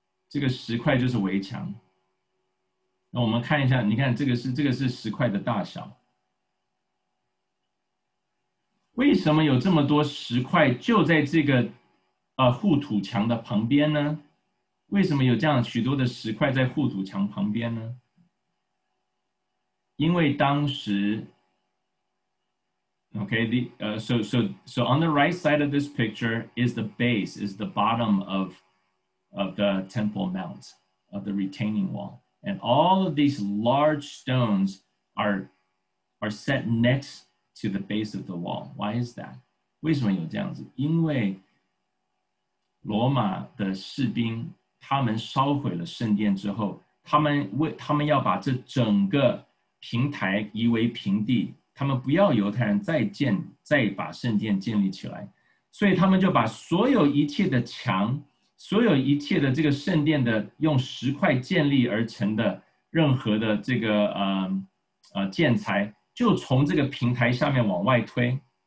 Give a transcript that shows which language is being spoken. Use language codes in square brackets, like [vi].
[zh] 这个石块就是围墙。那我们看一下，你看这个是石块的大小。为什么有这么多石块就在这个、护土墙的旁边呢？为什么有这样许多的石块在护土墙旁边呢？因为当时 [en] OK so on the right side of this picture is the base, is the bottom of the Temple Mount, of the retaining wall. And all of these large stones are set next to the base of the wall. Why is that? [zh] 为什么有这样子？因为罗马的士兵他们烧毁了圣殿之后，他们要把这整个平台夷为平地，他们不要犹太人再把圣殿建立起来，所以他们就把所有一切的墙，所有一切的这个圣殿的用石块建立而成的任何的这个、建材，就从这个平台下面往外推。